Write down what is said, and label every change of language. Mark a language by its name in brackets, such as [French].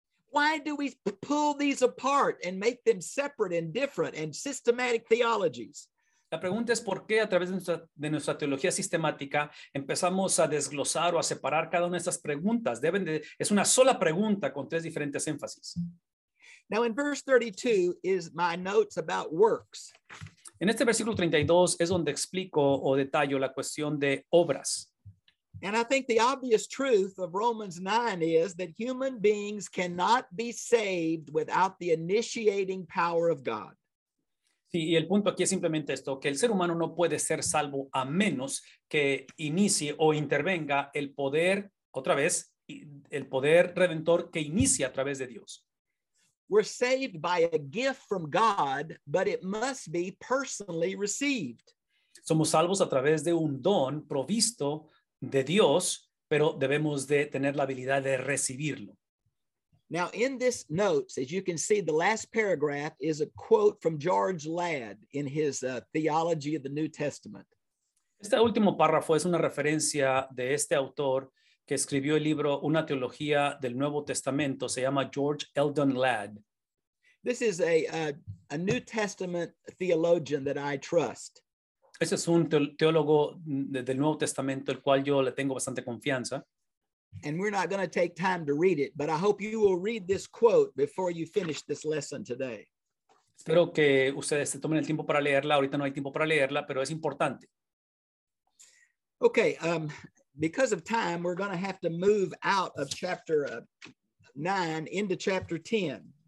[English] Why do we pull these apart and make them separate and different and systematic theologies? [Spanish] La pregunta es por qué a través de nuestra teología sistemática empezamos a desglosar o a separar cada una de estas preguntas. Es una sola pregunta con tres diferentes énfasis. [English] Now in verse 32 is my notes about works. [Spanish] En este versículo 32 es donde explico o detallo la cuestión de obras. [English] And I think the obvious truth of Romans 9 is that human beings cannot be saved without the initiating power of God. [Spanish] Sí, y el punto aquí es simplemente esto, que el ser humano no puede ser salvo a menos que inicie o intervenga el poder, otra vez, el poder redentor que inicia a través de Dios. [English] We're saved by a gift from God, but it must be personally received. [Spanish] Somos salvos a través de un don provisto de Dios, pero debemos de tener la habilidad de recibirlo. [English] Now, in this notes, as you can see, the last paragraph is a quote from George Ladd in his Theology of the New Testament. [Spanish] Este último párrafo es una referencia de este autor que escribió el libro Una Teología del Nuevo Testamento. Se llama George Eldon Ladd. [English] This is a New Testament theologian that I trust. [Spanish] Este es un teólogo del Nuevo Testamento, el cual yo le tengo bastante confianza. [English] And we're not going to take time to read it, but I hope you will read this quote before you finish this lesson today. [Spanish] Espero que ustedes se tomen el tiempo para leerla. Ahorita no hay tiempo para leerla, pero es importante. [English] Okay, because of time, we're going to have to move out of chapter 9 into chapter 10.